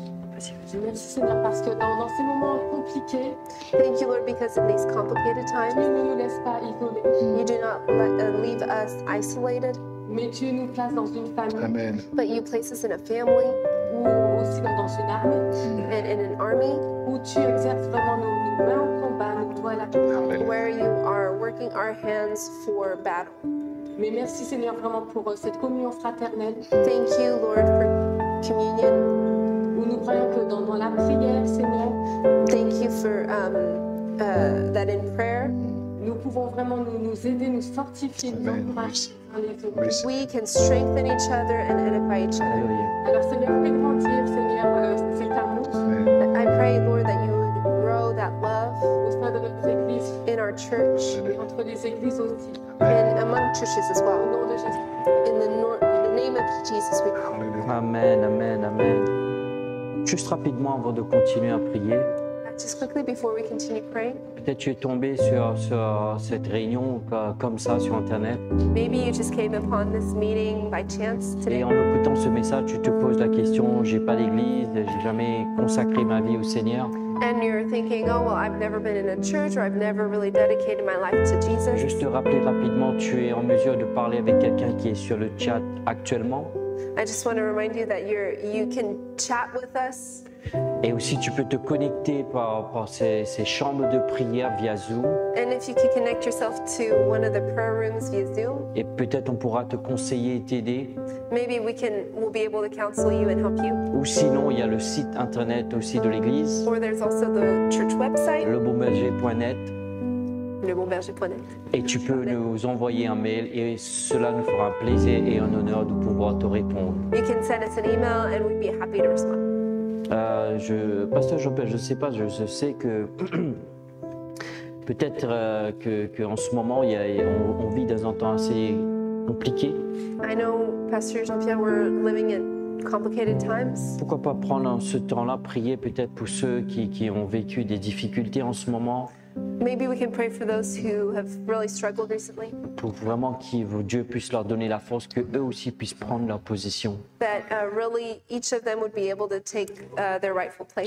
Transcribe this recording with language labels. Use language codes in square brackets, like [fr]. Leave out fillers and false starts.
[fr] Merci Seigneur parce que dans ces moments compliqués, [en] thank you Lord because in these complicated times, [fr] tu ne nous laisses pas isolés. [en] You do not leave us isolated. [fr] Mais tu nous places dans une famille. Amen. [en] But you place us in a family. [fr] Ou aussi dans une armée. [en] And in an army. [fr] Où tu exerces vraiment nos mains en combat, nos doigts à la combat. [en] Where you are working our hands for battle. [fr] Mais merci Seigneur vraiment pour cette communion fraternelle. [en] Thank you Lord for communion. [fr] Nous croyons que dans la prière, Seigneur, [en] thank you for that in prayer, [fr] nous pouvons vraiment nous aider, nous fortifier, nous encourager. [en] We can strengthen each other and edify each other. [fr] Alors Seigneur, fais grandir, Seigneur, cet amour. [en] I pray, Lord, that you would grow that love [fr] au sein de notre église, [en] in our church, [fr] et entre les églises aussi, [en] and among churches as well. [fr] Au nom de Jésus. [en] In the name of Jesus, we pray. [fr] Amen, amen, amen. Juste rapidement avant de continuer à prier. [en] Just quickly before we continue praying. [fr] Peut-être tu es tombé sur cette réunion comme ça sur Internet. [en] Maybe you just came upon this meeting by chance today. [fr] Et en écoutant ce message, tu te poses la question, j'ai pas d'église, j'ai jamais consacré ma vie au Seigneur. [en] And you're thinking, oh well, I've never been in a church or I've never really dedicated my life to Jesus. [fr] Juste te rappeler rapidement, tu es en mesure de parler avec quelqu'un qui est sur le chat actuellement. [en] I just want to remind you that you can chat with us. [fr] Et aussi tu peux te connecter par ces chambres de prière via Zoom. [en] And if you can connect yourself to one of the prayer rooms via Zoom. [fr] Et peut-être on pourra te conseiller et t'aider. [en] Maybe we'll be able to counsel you and help you. [fr] Ou sinon il y a le site internet aussi de l'église. [en] Or there's also the church website. [fr] Lebonberger.net. le bon berger prenait. Et tu peux nous envoyer un mail et cela nous fera un plaisir et un honneur de pouvoir te répondre. [en] You can send us an email and we'd be happy to respond. [fr] Pasteur Jean-Pierre, je ne sais pas, je sais que peut-être qu'en ce moment, on vit dans un temps assez compliqué. [en] I know, Pastor Jean-Pierre, we're living in complicated times. [fr] Pourquoi pas prendre ce temps-là, prier peut-être pour ceux qui ont vécu des difficultés en ce moment. [en] Maybe we can pray for those who have really struggled recently. [fr] Pour vraiment que Dieu puisse leur donner la force, que eux aussi puissent prendre leur position. [en] That really each of them would be able to take their rightful place.